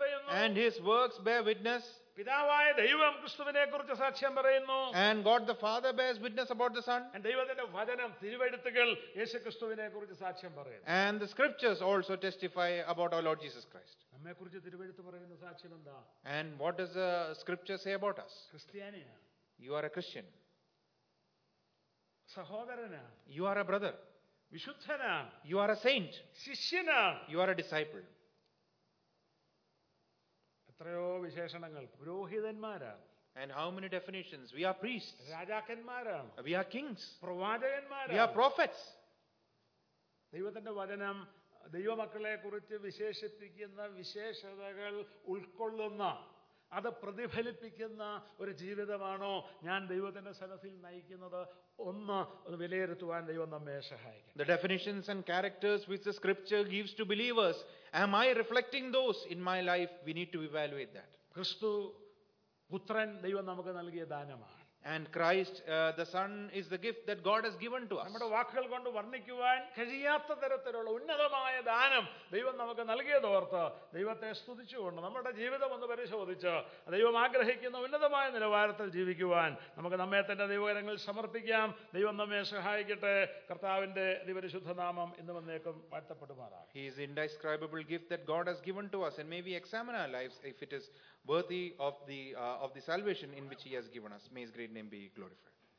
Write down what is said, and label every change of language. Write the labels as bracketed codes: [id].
[en] And his works bear witness. [ml] പിതാവായ ദൈവം ക്രിസ്തുവിനെ കുറിച്ച് സാക്ഷ്യം പറയുന്നു. [en] And God the Father bears witness about the Son. [ml] And ദൈവത്തിന്റെ വചനം തിരുവെഴുത്തുകൾ യേശു ക്രിസ്തുവിനെ കുറിച്ച് സാക്ഷ്യം പറയുന്നു. [en] And the scriptures also testify about our Lord Jesus Christ. [ml] നമ്മെ കുറിച്ച് തിരുവെഴുത്ത് പറയുന്ന സാക്ഷ്യം എന്താ? [en] And what does the scripture say about us? [ml] ക്രിസ്ത്യാനിയ. [en] You are a Christian. [ml] സഹോദരന. [en] You are a brother. [ml] വിശുദ്ധന. [en] You are a saint. [ml] ശിഷ്യന. [en] You are a disciple. [ml] എത്രയോ വിശേഷണങ്ങൾ. പുരോഹിതന്മാരാണ്. [en] And how many definitions? We are priests. [ml] രാജാക്കന്മാരാണ്. [en] We are kings. [ml] പ്രവാചകന്മാരാണ്. [en] We are prophets. [ml] ദൈവത്തിന്റെ വചനം ദൈവമക്കളെ കുറിച്ച് വിശേഷിപ്പിക്കുന്ന വിശേഷതകൾ ഉൾക്കൊള്ളുന്ന, അത് പ്രതിഫലിപ്പിക്കുന്ന ഒരു ജീവിതമാണോ ഞാൻ ദൈവത്തിന്റെ സന്നിധിയിൽ നയിക്കുന്നത് ഒന്ന് വിലയിരുത്തുവാൻ ദൈവം നമ്മെ സഹായിക്കും. [en] The definitions and characters which the scripture gives to believers, am I reflecting those in my life? We need to evaluate that. [ml] ക്രിസ്തു പുത്രൻ ദൈവം നമുക്ക് നൽകിയ ദാനമാണ്. [en] And Christ, the Son, is the gift that God has given to us. [ml] നമ്മുടെ വാക്കുകൾ കൊണ്ട് വർണ്ണിക്കുവാൻ കഴിയാത്ത തരത്തിലുള്ള ഉന്നതമായ ദാനം ദൈവം നമുക്ക് നൽകിയതോർത്ത് ദൈവത്തെ സ്തുതിച്ചുകൊണ്ട് നമ്മുടെ ജീവിതം ഒന്ന് പരിശോധിച്ച് ദൈവം ആഗ്രഹിക്കുന്ന ഉന്നതമായ നിലവാരത്തിൽ ജീവിക്കുവാൻ നമുക്ക് നമ്മെ തന്നെ ദൈവകരങ്ങളിൽ സമർപ്പിക്കാം. ദൈവം നമ്മെ സഹായിക്കട്ടെ. കർത്താവിന്റെ അതിപരിശുദ്ധ നാമം ഇന്ന് വന്നേക്കും വാഴ്ത്തപ്പെടുമാറാം. [en] He is indescribable gift that God has given to us, and may we examine our lives if it is worthy of the salvation in which he has given us. May his great name be glorified.